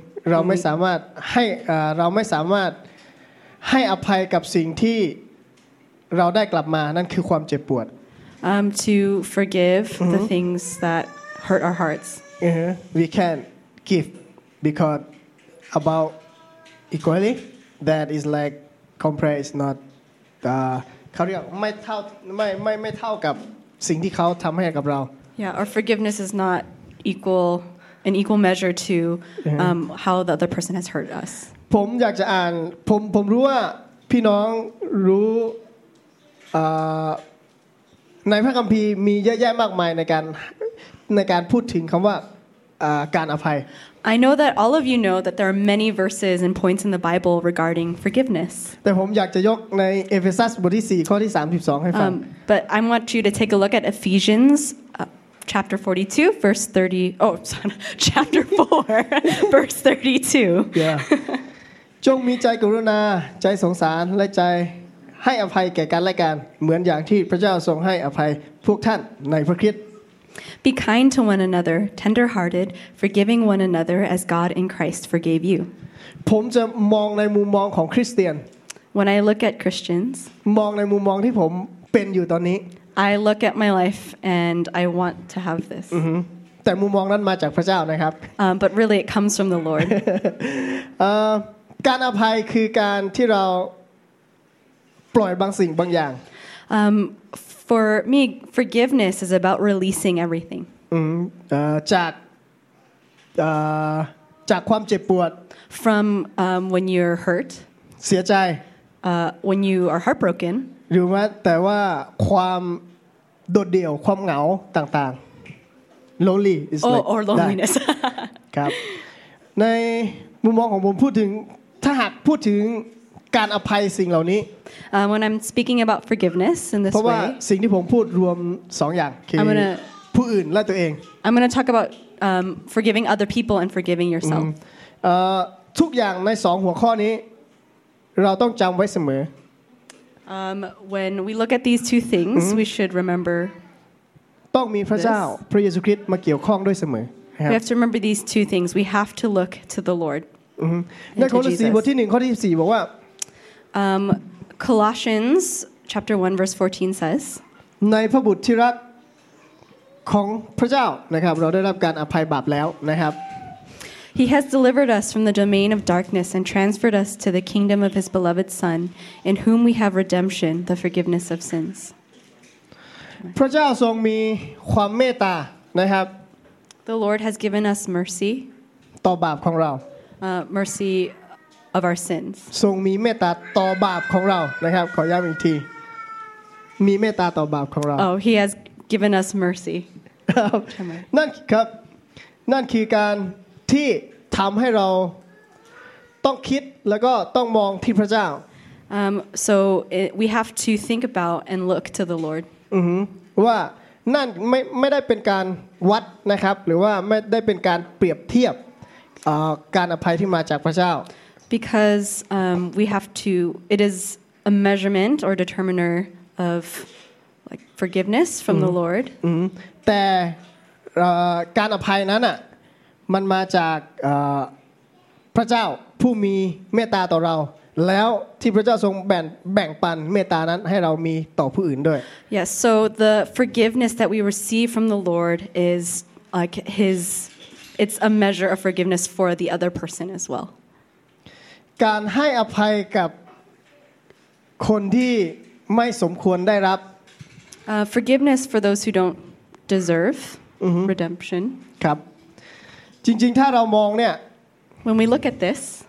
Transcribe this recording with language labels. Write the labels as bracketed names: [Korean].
[Thai] เราไม่สามารถให้เราไม่สามารถให้อภัยกับสิ่งที่เราได้กลับมานั่นคือความเจ็บปวด [English] to forgive the things that hurt our hearts we can't give because about equally that is like compares not [Thai] เขาเรียกไม่เท่ากับสิ่งที่เขาทําให้กับเรา [English] yeah our forgiveness is not equal an equal measure to how the other person has hurt us [Thai] ผมอยากจะอ่านผมรู้ว่าพี่น้องรู้ในพระคัมภีร์มีเยอะแยะมากมายในการพูดถึงคําว่าการอภัย [English] I know that all of you know that there are many verses and points in the Bible regarding forgiveness [Thai] แต่ผมอยากจะยกในเอเฟซัสบทที่4ข้อที่32ให้ฟัง [English] But I want you to take a look at Ephesians chapter 42 verse 30 oh sorry, chapter 4 verse 32 [Thai] yeah จงมีใจกรุณาใจสงสารและใจให้อภัยแก่กันและกันเหมือนอย่างที่พระเจ้าทรงให้อภัยพวกท่านในพระคริสต์ [English] Be kind to one another tender hearted forgiving one another as God in Christ forgave you [Thai] ผมจะมองในมุมมองของคริสเตียน [English] When I look at Christians [Thai] มองในมุมมองที่ผมเป็นอยู่ตอนนี้ [English] I look at my life and I want to have this. [Thai] แต่มุมมองนั้นมาจากพระเจ้านะครับ [English] But really it comes from the Lord. [Thai] การอภัยคือการที่เราปล่อยบางสิ่งบางอย่าง [English] For me forgiveness is about releasing everything. [Thai] จากความเจ็บปวด [English] from when you're hurt. [Thai] เสียใจ [English] when you are heartbroken. [Thai] หรือว่าแต่ว่าความโดดเดี่ยวความเหงาต่างๆ [English] lonely is like or loneliness. [Thai] ครับในมุมมองของผมพูดถึงถ้าหากพูดถึงการอภัยสิ่งเหล่านี้ [English] when I'm speaking about forgiveness in this way [Thai] เพราะว่าสิ่งที่ผมพูดรวม2อย่างคือ [English] I'm going to [Thai] ผู้อื่นและตัวเอง [English] I'm going to talk about forgiving other people and forgiving yourself [Thai] ทุกอย่างใน2หัวข้อนี้เราต้องจําไว้เสมอ [English] when we look at these two things we should remember [Thai] ต้องมีพระเจ้าพระเยซูคริสต์มาเกี่ยวข้องด้วยเสมอ [English] we have to remember these two things we have to look to the lord [Thai] ในโคลอสีบทที่1ข้อที่14บอกว่า [English] Colossians chapter 1 verse 14 says [Thai] ในพระบุตรที่รักของพระเจ้านะครับเราได้รับการอภัยบาปแล้วนะครับ [English] He has delivered us from the domain of darkness and transferred us to the kingdom of his beloved son in whom we have redemption the forgiveness of sins [Thai] พระเจ้าทรงมีความเมตตานะครับ [English] The Lord has given us mercy [Thai] ต่อบาปของเรา [English] mercy of our sins [Thai] ทรงมีเมตตาต่อบาปของเรานะครับขอย้ำอีกทีมีเมตตาต่อบาปของเรา [English] Oh he hasgiven us mercy [Thai] นั่นครับนั่นคือการที่ทําให้เราต้องคิดแล้วก็ต้องมองที่พระเจ้า [English] so we have to think about and look to the lord [Thai] ว่านั่นไม่ได้เป็นการวัดนะครับหรือว่าไม่ได้เป็นการเปรียบเทียบการอภัยที่มาจากพระเจ้า [English] because we have to it is a measurement or determiner ofLike forgiveness from the Lord. [Thai] But การอภัยนั้นอ่ะมันมาจากพระเจ้าผู้มีเมตตาต่อเราแล้วที่พระเจ้าทรงแบ่งปันเมตตานั้นให้เรามีต่อผู้อื่นด้วย [English] Yes. So the forgiveness that we receive from the Lord is like His. It's a measure of forgiveness for the other person as well. [Thai] การให้อภัยกับคนที่ไม่สมควรได้รับ [English] forgiveness for those who don't deserve redemption [Thai] ครับจริงๆถ้าเรามองเนี่ย [English] when we look at this